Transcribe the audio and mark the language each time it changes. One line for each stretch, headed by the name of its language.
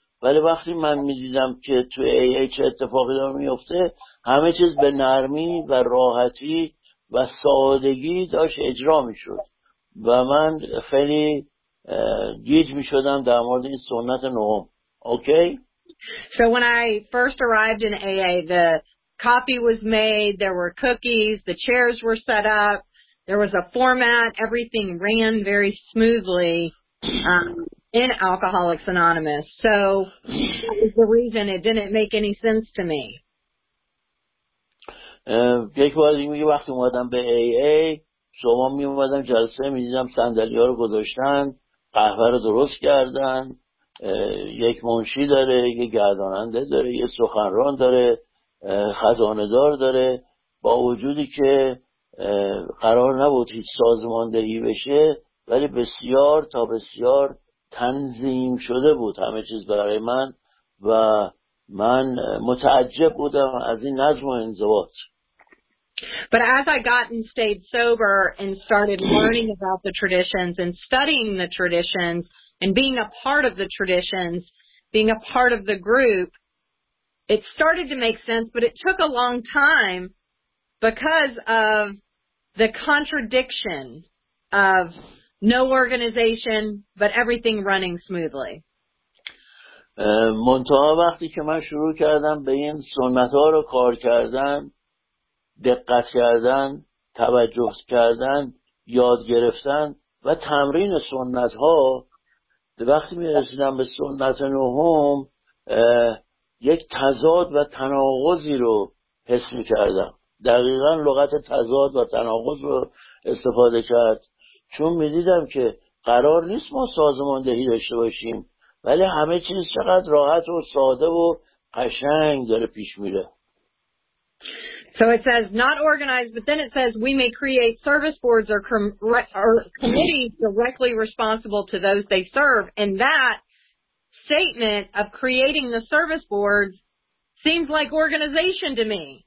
Persian: ولی وقتی من می‌دیدم که تو AA چه اتفاقی داره می‌افته، همه چیز به نرمی و راحتی و سادگی داشت اجرا می‌شد و من خیلی گیج می‌شدم در مورد این سنت نهم. اوکی؟
English: So when I first arrived in AA, the coffee was made, there were cookies, the chairs were set up, there was a format, everything ran very smoothly. In Alcoholics Anonymous. So that was the reason it didn't make any sense to me.
Persian: یک بار دیگه وقتی اومدم به AA شما می اومدم جلسه می دیدم صندلی ها رو گذاشتن، قهوه رو درست کردن، یک منشی داره، یک گرداننده داره، یک سخنران داره، خزانه دار داره، با وجودی که قرار نبود هیچ سازماندهی بشه ولی بسیار تا بسیار تنظیم شده بود همه چیز برای من و من متعجب بودم از این نظم و انضباط.
English: But as I got and stayed sober and started learning about the traditions and studying the traditions and being a part of the traditions, being a part of the group, it started to make sense, but it took a long time because of the contradiction of no organization, but everything running smoothly.
Persian: منتها وقتی که من شروع کردم به این سنت ها رو کار کردن، دقت کردن، توجه کردن، یاد گرفتن و تمرین سنت ها، وقتی می رسیدم به سنت نهم، یک تضاد و تناقضی رو حس می کردم. دقیقا لغت تضاد و تناقض رو استفاده کرد. چون می دیدم که قرار نیست ما سازماندهی داشته باشیم ولی همه چیز چقدر راحت و ساده و قشنگ داره پیش میره.
English: So it says not organized, but then it says we may create service boards or committees directly responsible to those they serve. And that statement of creating the service boards seems like organization to me.